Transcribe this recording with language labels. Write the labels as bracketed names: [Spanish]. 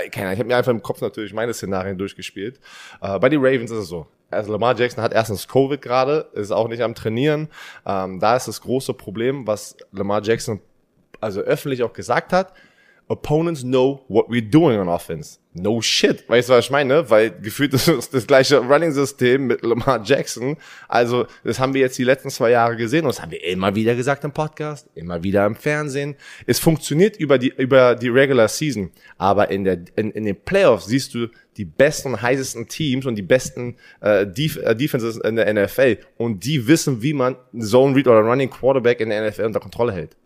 [German] Keine Ahnung, ich habe mir einfach im Kopf natürlich meine Szenarien durchgespielt. Bei den Ravens ist es so. Also Lamar Jackson hat erstens Covid gerade, ist auch nicht am Trainieren. Da ist das große Problem, was Lamar Jackson also öffentlich auch gesagt hat. [English] Opponents know what we're doing on offense. No shit. [German] Weißt du, was ich meine? Weil gefühlt ist es das gleiche Running-System mit Lamar Jackson. Also, das haben wir jetzt die letzten 2 Jahre gesehen und das haben wir immer wieder gesagt im Podcast, immer wieder im Fernsehen. Es funktioniert über die Regular Season, aber in den Playoffs siehst du die besten und heißesten Teams und die besten Defenses in der NFL und die wissen, wie man Zone Read oder Running Quarterback in der NFL unter Kontrolle hält.